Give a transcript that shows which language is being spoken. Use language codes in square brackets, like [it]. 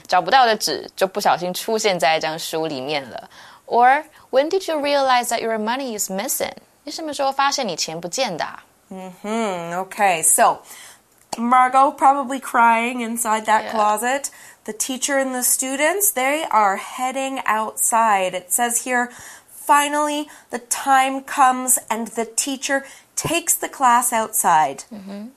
[zh] 找不到的纸就不小心出现在一张书里面了。 [en] Or, when did you realize that your money is missing? [zh] 你什么时候发现你钱不见的、啊、 [en] Mm-hmm, okay, so Margot probably crying inside that、yeah. closet. The teacher and the students, they are heading outside. It says here, finally, the time comes and the teacher takes the class outside.、Mm-hmm.